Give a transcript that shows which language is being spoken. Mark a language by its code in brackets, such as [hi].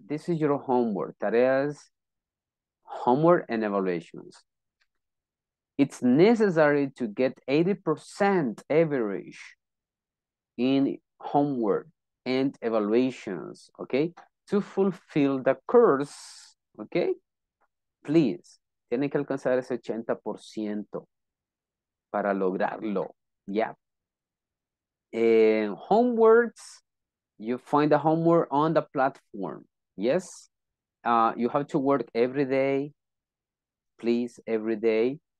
[en] This is your homework. That is homework and evaluations. It's necessary to get 80% average in homework and evaluations, okay? To fulfill the course, okay? [es] Please, tiene que alcanzar ese 80% para lograrlo, yeah. [en] And homeworks, you find the homework on the platform, yes? You have to work every day, please, every day.